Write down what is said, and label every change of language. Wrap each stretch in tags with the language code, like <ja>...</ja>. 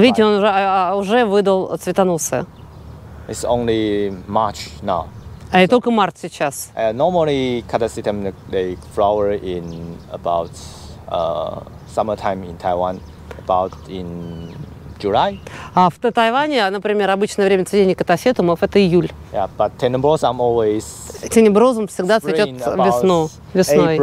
<ru>Видите, он уже, уже выдал цветоносы.</ru> <en>It's only March now.</en> <ru>А и только март сейчас.</ru> <en>Normally catasetum they flower in about summertime in Taiwan, about in July.</en> <ru>А в Тайване, например, обычное время цветения катасетумов это июль.</ru> <en>Yeah, but tenebrosum always.</en> <ru>Тенеброзум всегда цветет весну, весной,</ru>